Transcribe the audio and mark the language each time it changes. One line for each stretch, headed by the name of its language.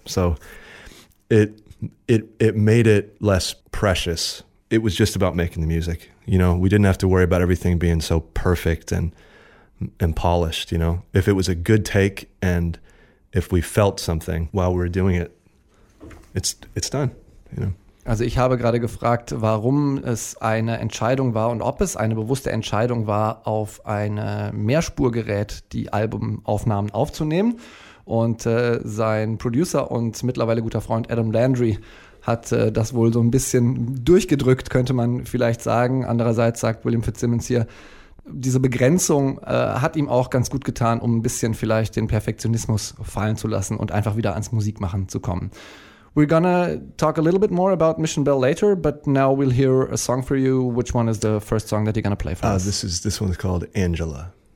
English: So it made it less precious. It was just about making the music. You know, we didn't have to worry about everything being so perfect and polished. You know, if it was a good take and if we felt something while we were doing it, It's done, you know.
German: Also ich habe gerade gefragt, warum es eine Entscheidung war und ob es eine bewusste Entscheidung war, auf ein Mehrspurgerät die Albumaufnahmen aufzunehmen. Und sein Producer und mittlerweile guter Freund Adam Landry hat das wohl so ein bisschen durchgedrückt, könnte man vielleicht sagen. Andererseits sagt William Fitzsimmons hier, diese Begrenzung hat ihm auch ganz gut getan, um ein bisschen vielleicht den Perfektionismus fallen zu lassen und einfach wieder ans Musikmachen zu kommen.
English: We're gonna talk a little bit more about Mission Bell later, but now we'll hear a song for you. Which one is the first song that you're gonna play for us? This one's called Angela.